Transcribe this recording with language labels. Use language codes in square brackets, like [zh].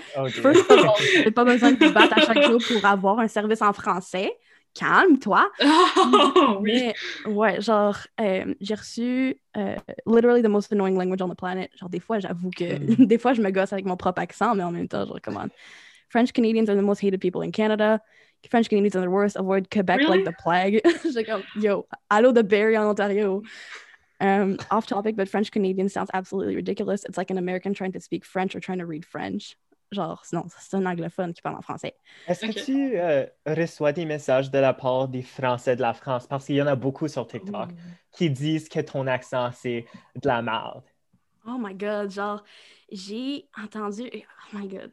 [en] First of all, [fr] t'as pas besoin de te battre à chaque jour pour avoir un service en français. Calme-toi. Oh, oui. Mais ouais, genre, j'ai reçu [en] literally the most annoying language on the planet. [fr] Genre, des fois, j'avoue que des fois, je me gosse avec mon propre accent, mais en même temps, je recommande. [en] French Canadians are the most hated people in Canada. French Canadians are the worst. Avoid Quebec like the Really? plague. [fr] J'ai comme, yo, allô de Barrie en Ontario. [en] Off topic, but French Canadian sounds absolutely ridiculous. It's like an American trying to speak French or trying to read French. [fr] Genre, sinon, c'est un anglophone qui parle en français. Est-ce que [en] OK. [fr] tu reçois des messages de la part des Français de la France? Parce qu'il y en a beaucoup sur TikTok qui disent que ton accent, c'est de la merde. [en] Oh my God, [fr] genre, j'ai entendu. [en] Oh my God.